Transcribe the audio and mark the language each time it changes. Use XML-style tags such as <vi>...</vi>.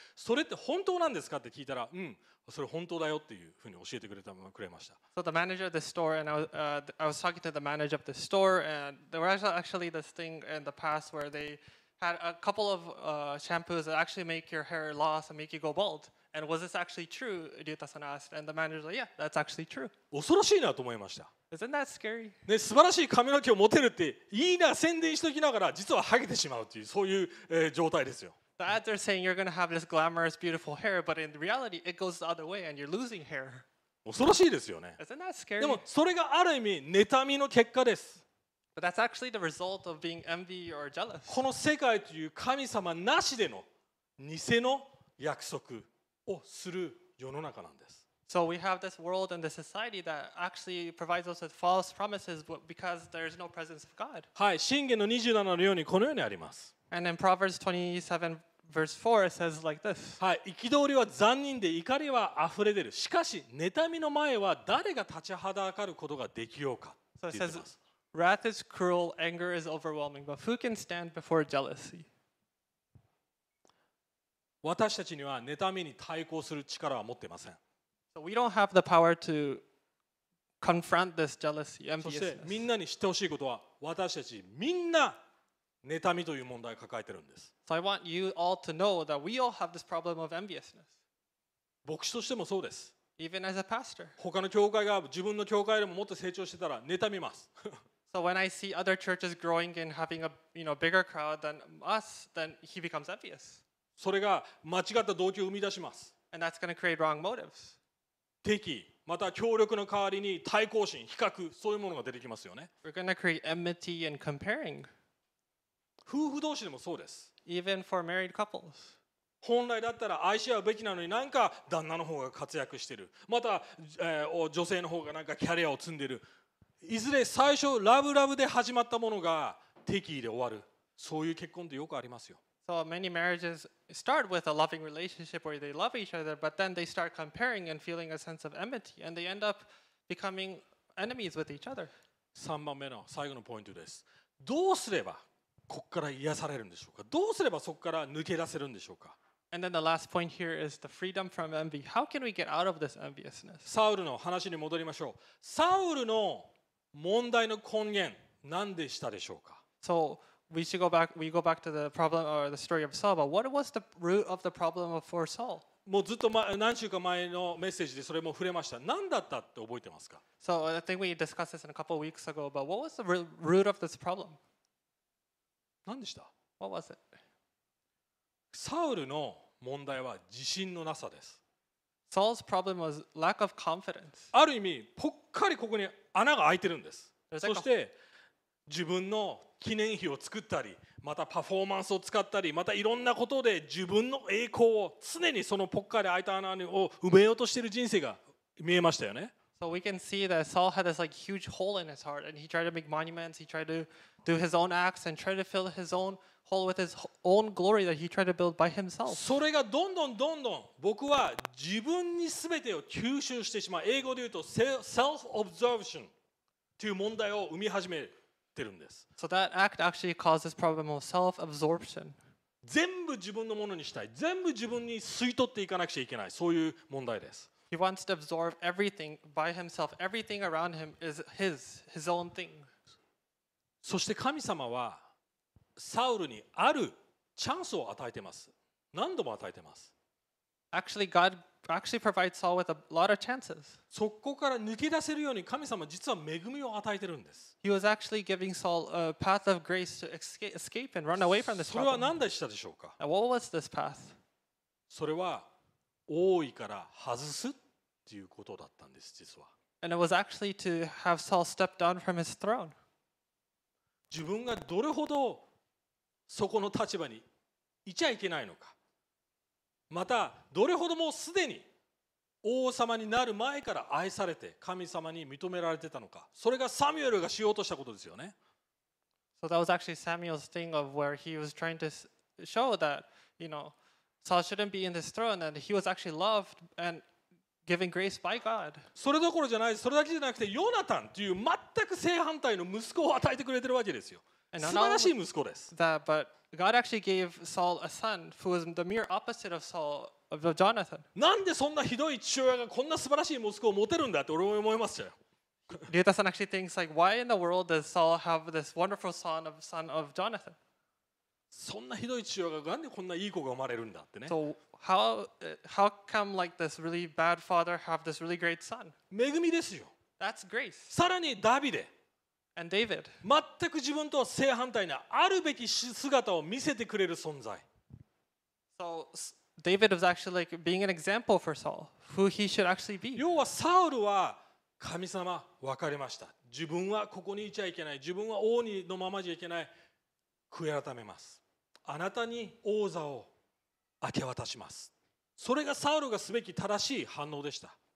<ja>それって本当なんですかって聞いたら、うん、それ本当だよっていうふうに教えてくれました。</ja> <en>So the manager of the store and I was talking to the manager of the store and there was actually this thing in the past where they had a couple of shampoos that actually make your hair loss and make you go bald. And was this actually true? Ryuta-san asked. And the manager was like, yeah, that's actually true.</en> <ja>恐ろしいなと思いました。</ja> <en>Isn't that scary?</en> <ja>ね、素晴らしい髪の毛を持てるっていいな、宣伝しときながら実はハゲてしまうっていう、そういう、状態ですよ。</ja> <en>The ads are saying you're going to have this glamorous, beautiful hair, but in reality, it goes the other way and you're losing hair.</en> <ja>恐ろしいですよね。</ja> <en>Isn't that scary?</en> <ja>でもそれがある意味、妬みの結果です。</ja> <en>But that's actually the result of being envy or jealous.</en> <ja>この世界という神様なしでの偽の約束をする世の中なんです。</ja> <en>So we have this world and this society that actually provides us with false promises because there is no presence of God.</en> <ja>はい、箴言の27のようにこのようにあります。</ja> <en>And in Proverbs 27, verse 4, it says like this.</en> <ja>はい、憤りは残忍で怒りは溢れ出る。しかし、妬みの前は誰が立ちはだかることができようか。</ja> <en>So it says, wrath is cruel, anger is overwhelming, but who can stand before jealousy?</en> <ja>私たちには妬みに対抗する力は持っていません。</ja> <en>So we don't have the power to confront this jealousy, enviousness.</en> <ja>そして、みんなに知ってほしいことは、私たちみんな妬みという問題を抱えてるんです。</ja> <en>So I want you all to know that we all have this problem of enviousness.</en> <ja>牧師としてもそうです。</ja> <en>Even as a pastor.</en> <ja>他の教会が自分の教会でももっと成長してたら妬みます。</ja> <en>So when I see other churches growing and having a, you know, bigger crowd than us, then he becomes envious.</en> <ja>それが間違った動機を生み出します。</ja> <en>And that's going to create wrong motives.</en> <ja>敵意、また協力の代わりに対抗心、比較、そういうものが出てきますよね。</ja> <en>We're going to create enmity and comparing.</en> <ja>夫婦同士でもそうです。 Even for married couples. 本来だったら愛し合うべきなのになんか旦那の方が活躍してる。また、女性の方がなんかキャリアを積んでる。いずれ最初ラブラブで始まったものが敵意で終わる。そういう結婚ってよくありますよ。</ja> <en>So many marriages start with a loving relationship where they love each other, but then they start comparing and feeling a sense of enmity, and they end up becoming enemies with each other.</en> <ja>3番目の最後のポイントです。どうすればここから癒されるんでしょうか？どうすればそこから抜け出せるんでしょうか？</ja> <en>And then the last point here is the freedom from envy. How can we get out of this enviousness?</en> <ja>サウルの話に戻りましょう。サウルの問題の根源、何でしたでしょうか？</ja> <en>So,We go back to the problem or the story of Saul. But what was the root of the problem for Saul?</en> <ja>もうずっと何週か前のメッセージでそれも触れました。何だったって覚えてますか？</ja> <en>So I think we discussed this in a couple of weeks ago. But what was the root of this problem?</en> <ja>何でした？</ja> <en>What was it?</en> <ja>サウルの問題は自信のなさです。</ja> <en>Saul's problem was lack of confidence.</en> <ja>ある意味ぽっかりここに穴が開いてるんです。そして自分の記念碑を作ったり、またパフォーマンスを使ったり、またいろんなことで自分の栄光を常にそのポッカーで空いた穴を埋めようとしている人生が見えましたよね。</ja> <en>So we can see that Saul had this like huge hole in his heart, and he tried to make monuments, he tried to do his own acts, and tried to fill his own hole with his own glory that he tried to build by himself.</en> <ja>それがどんどんどんどん僕は自分に全てを吸収してしまう。英語で言うと self-absorption という問題を生み始める。</ja> <en>So that act actually causes problem of self-absorption.</en> <ja>全部自分のものにしたい、全部自分に吸い取っていかなくちゃいけない、そういう問題です。</ja> <en>He wants to absorb everything by himself. Everything around him is his own thing.</en> <ja>そして神様はサウルにあるチャンスを与えてます。何度も与えてます。</ja> <en>Actually, God actually provides Saul with a lot of chances.</en> <ja>そこから抜け出せるように神様実は恵みを与えてるんです。</ja> <en>He was actually giving Saul a path of grace to escape and run away from this problem.</en> <ja>それは何でしたでしょうか？</ja> <en>And what was this path?</en> <ja>それは王位から外すっていうことだったんです、実は。</ja> <en>And it was actually to have Saul step down from his throne.</en> <ja>自分がどれほどそこの立場にいちゃいけないのか。またどれほどもすでに王様になる前から愛されて神様に認められてたのか、それがサミュエルがしようとしたことですよね。</ja> <en>So that was actually Samuel's thing of where he was trying to show that, you know, Saul shouldn't be in this throne and he was actually loved and given grace by God.</en> <ja>それどころじゃない、それだけじゃなくてヨナタンという全く正反対の息子を与えてくれてるわけですよ。素晴らしい息子です。</ja> <en>That, but God actually gave Saul a son who was the mere opposite of Saul, of Jonathan.</en> <ja>なんでそんなひどい父親がこんな素晴らしい息子を持てるんだって俺も思いますよ。</ja> <en>リュータさん actually thinks like, why in the world does Saul have this wonderful son of Jonathan?</en> <ja>そんなひどい父親がなんでこんないい子が生まれるんだってね。</ja> <en>So how come like this really bad father have this really great son?</en> <ja>恵みですよ。</ja> <en>That's grace.</en> <ja>さらにダビデ。</ja> <en>And David.</en> <ja>全く自分とは正反対なあるべき姿を見せてくれる存在。</ja> <en>So David was actually like being an example for Saul, who he should actually be.</en> <ja>要はサウルは神様分かりました。自分はここにいちゃいけない。自分は王にのままじゃいけない。悔い改めます。あなたに王座を明け渡します。それがサウルがすべき正しい反応でした。</ja>